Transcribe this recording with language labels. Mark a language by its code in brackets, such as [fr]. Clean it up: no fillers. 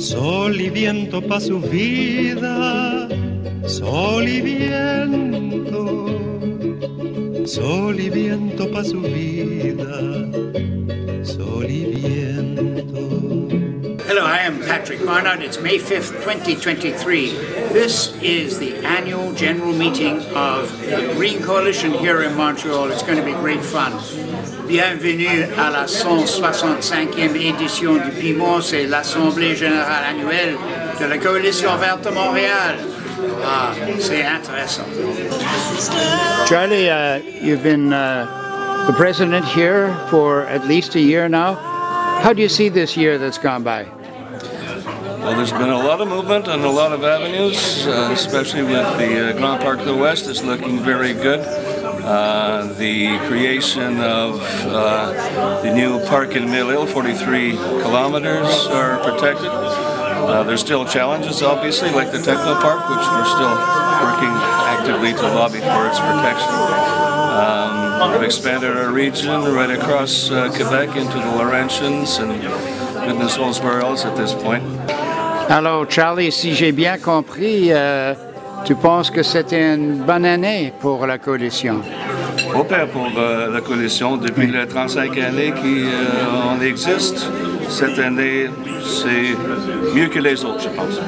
[es] Sol y viento pa' su vida, sol y viento. Sol y viento pa' su vida, sol y viento. [en] Hello, I am Patrick Barnard. It's May 5th, 2023. This is the annual general meeting of the Green Coalition here in Montreal. It's going to be great fun. [fr] Bienvenue à la 165e édition du Pimento, c'est l'Assemblée générale annuelle de la Coalition verte de Montréal. Ah, c'est intéressant. [en] Charlie, you've been the president here for at least a year now. How do you see this year that's gone by? Well, there's been a lot of movement on a lot of avenues, especially with the Grand Parc de l'Ouest is looking very good. The creation of the new park in Mille Isles, 43 kilometers are protected. There's still challenges, obviously, like the Techno Park, which we're still working actively to lobby for its protection. We've expanded our region right across Quebec into the Laurentians and goodness knows where else at this point. [fr] Alors, Charlie, si j'ai bien compris, tu penses que c'était une bonne année pour la coalition? Au pire pour la coalition, depuis les 35 années qu'on existe, cette année, c'est mieux que les autres, je pense.